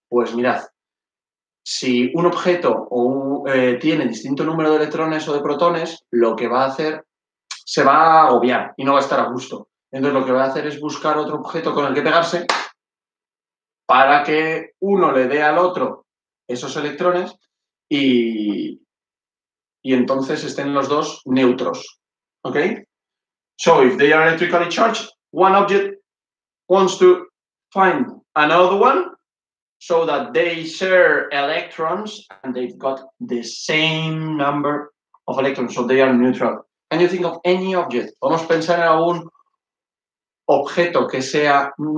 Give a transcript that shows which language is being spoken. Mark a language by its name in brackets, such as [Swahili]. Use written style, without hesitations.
[Spanish] Pues mirad, si un objeto tiene distinto número de electrones o de protones, lo que va a hacer, se va a agobiar y no va a estar a gusto. Entonces lo que va a hacer es buscar otro objeto con el que pegarse para que uno le dé al otro esos electrones y entonces estén los dos neutros. [English] Okay? So if they are electrically charged, one object wants to find another one so that they share electrons and they've got the same number of electrons, so they are neutral. Can you think of any object? [Spanish] Vamos a pensar en algún objeto que sea...